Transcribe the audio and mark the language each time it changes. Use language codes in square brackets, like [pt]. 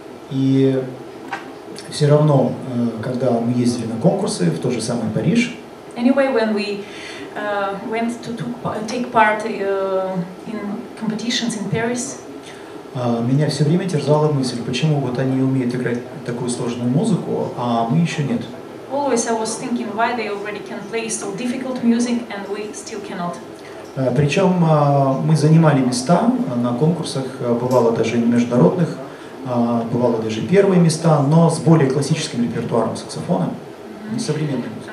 [ru] И все равно, когда мы ездили на конкурсы в тот же самый Париж. [en] Anyway, when we went to take part in competitions in Paris. [ru] меня все время терзала мысль, почему вот они умеют играть такую сложную музыку, а мы еще нет. [en] Always I was thinking why they already can play so difficult music and we still cannot. [ru] Причем мы занимали места на конкурсах, бывало даже не международных, бывало даже первые места, но с более классическим репертуаром саксофона, не современным.